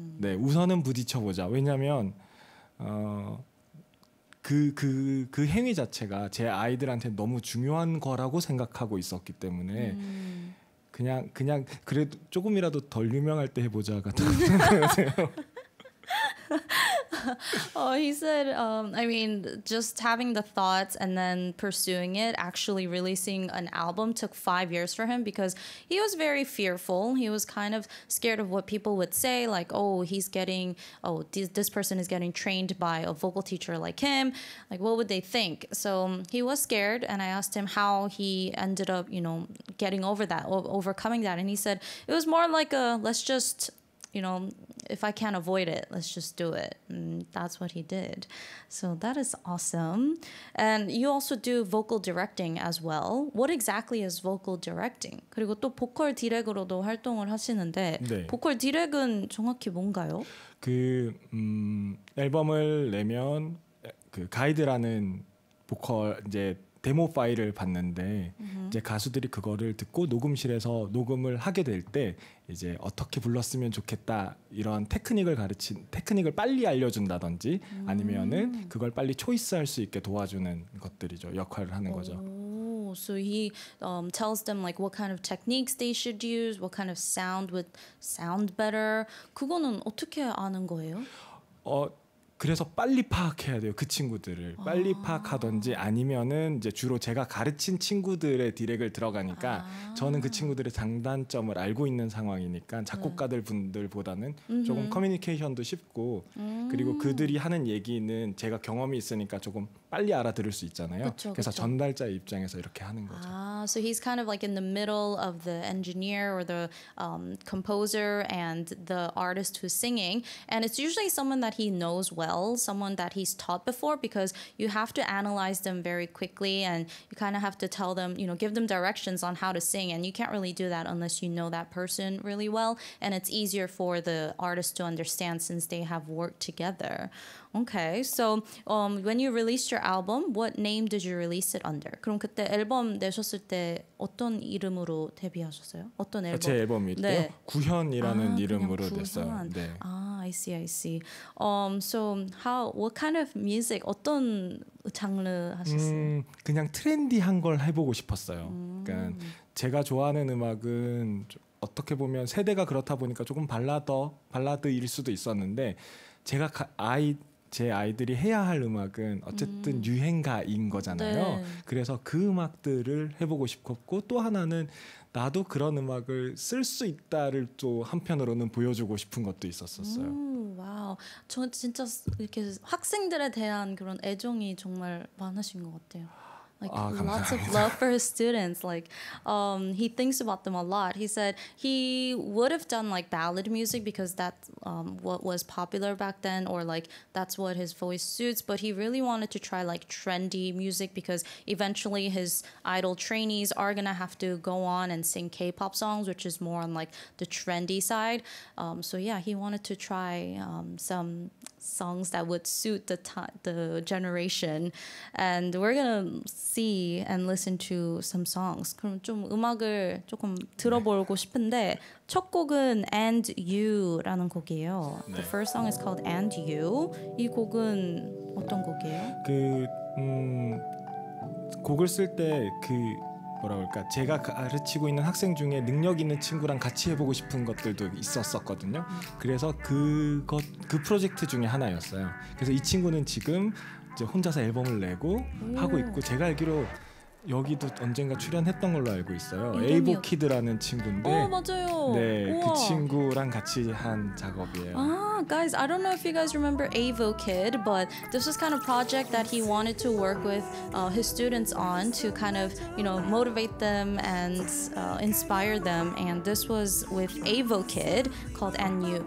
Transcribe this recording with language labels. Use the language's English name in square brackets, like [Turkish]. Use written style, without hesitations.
[Korean] 네, 우선은 부딪혀보자. 왜냐하면 그 행위 자체가 제 아이들한테 너무 중요한 거라고 생각하고 있었기 때문에 그냥 그래도 조금이라도 덜 유명할 때 해보자가 더 생각나세요. [English] He said, I mean, just having the thoughts and then pursuing it, actually releasing an album took 5 years for him because he was very fearful. He was kind of scared of what people would say, like, oh, he's getting, oh, this person is getting trained by a vocal teacher like him. Like, what would they think? So he was scared. And I asked him how he ended up, you know, getting over that, overcoming that. And he said it was more like a, let's just, you know, if I can't avoid it, let's just do it. And that's what he did. So that is awesome. And you also do vocal directing as well. What exactly is vocal directing? [Korean] 그리고 또 보컬 디렉으로도 활동을 하시는데 네. 보컬 디렉은 정확히 뭔가요? 그 앨범을 내면 그 가이드라는 보컬 이제 데모 파일을 받는데 이제 가수들이 그거를 듣고 녹음실에서 녹음을 하게 될 때 이제 어떻게 불렀으면 좋겠다 이런 테크닉을 가르친 테크닉을 빨리 알려준다든지 아니면은 그걸 빨리 초이스할 수 있게 도와주는 것들이죠 역할을 하는 거죠. [English] So he tells them like what kind of techniques they should use, what kind of sound would sound better. [Korean] 그거는 어떻게 아는 거예요? 그래서 빨리 파악해야 돼요. 그 친구들을 빨리 파악하든지 아니면은 이제 주로 제가 가르친 친구들의 디렉을 들어가니까 저는 그 친구들의 장단점을 알고 있는 상황이니까 작곡가들 분들보다는 조금 커뮤니케이션도 쉽고 그리고 그들이 하는 얘기는 제가 경험이 있으니까 조금 빨리 알아들을 수 있잖아요. 그쵸, 그래서 그쵸. 전달자 입장에서 이렇게 하는 거죠. [English] So he's kind of like in the middle of the engineer or the composer and the artist who's singing, and it's usually someone that he knows well, someone that he's taught before, because you have to analyze them very quickly and you kind of have to tell them, you know, give them directions on how to sing, and you can't really do that unless you know that person really well, and it's easier for the artist to understand since they have worked together. Okay, so when you released your album, what name did you release it under? [Korean] 그럼 그때 앨범 내셨을 때 어떤 이름으로 데뷔하셨어요? 어떤 앨범? 제 앨범일 때요? 네. 구현이라는 이름으로 구현. 됐어요. [English] 네. 아, I see. So what kind of music, [Korean] 어떤 장르 하셨어요? 그냥 트렌디한 걸 해보고 싶었어요. 그러니까 제가 좋아하는 음악은 어떻게 보면 세대가 그렇다 보니까 조금 발라드일 수도 있었는데 제가 제 아이들이 해야 할 음악은 어쨌든 유행가인 거잖아요. 네. 그래서 그 음악들을 해보고 싶었고 또 하나는 나도 그런 음악을 쓸 수 있다를 또 한편으로는 보여주고 싶은 것도 있었었어요. 와우, 저 진짜 이렇게 학생들에 대한 그런 애정이 정말 많으신 것 같아요. [English] Like, 아, lots of love for his students. Like, he thinks about them a lot. He said he would have done like ballad music because that's what was popular back then, or like that's what his voice suits. But he really wanted to try like trendy music because eventually his idol trainees are gonna have to go on and sing K-pop songs, which is more on like the trendy side. So yeah, he wanted to try some songs that would suit the generation, and we're gonna see and listen to some songs. [Korean] 그럼 좀 음악을 조금 들어보고 싶은데 첫 곡은 And You라는 곡이에요. 네. [English] The first song is called And You. [Korean] 이 곡은 어떤 곡이에요? 그 곡을 쓸 때 그 뭐라 그럴까 제가 가르치고 있는 학생 중에 능력 있는 친구랑 같이 해보고 싶은 것들도 있었었거든요. 그래서 그것 그 프로젝트 중에 하나였어요. 그래서 이 친구는 지금 이제 혼자서 앨범을 내고 하고 있고 제가 알기로 여기도 언젠가 출연했던 걸로 알고 있어요. 에이보 키드라는 친구인데 오, 맞아요. 네, 그 친구랑 같이 한 작업이에요. [English] Guys, I don't know if you guys remember Avo Kid, but this was kind of project that he wanted to work with his students on to kind of, you know, motivate them and inspire them. And this was with Avo Kid called And You.